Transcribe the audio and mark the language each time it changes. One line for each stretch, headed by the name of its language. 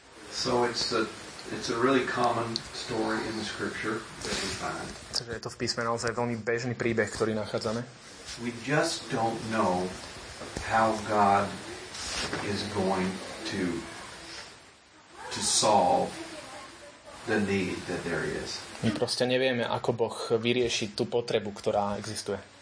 English: So it's a really common story in the scripture that we find.
Slovak: Takže je to v písme naozaj veľmi bežný príbeh, ktorý nachádzame.
English: We just don't know how God is going to solve the need that there is.
Slovak: My proste nevieme, ako Boh vyrieši tú potrebu, ktorá existuje.